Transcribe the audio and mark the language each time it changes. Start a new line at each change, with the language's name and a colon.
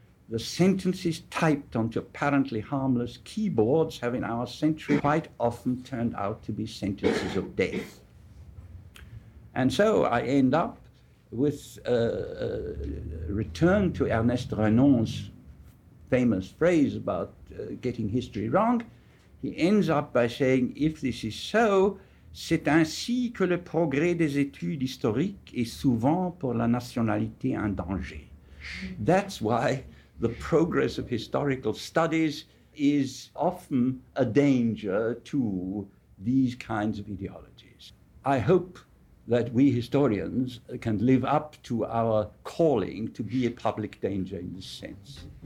English: The sentences typed onto apparently harmless keyboards have in our century quite often turned out to be sentences of death. And so I end up with a return to Ernest Renan's famous phrase about getting history wrong. He ends up by saying, if this is so,
French: c'est ainsi que le progrès des études historiques est souvent pour la nationalité un danger.
English: That's why the progress of historical studies is often a danger to these kinds of ideologies. I hope that we historians can live up to our calling to be a public danger in this sense.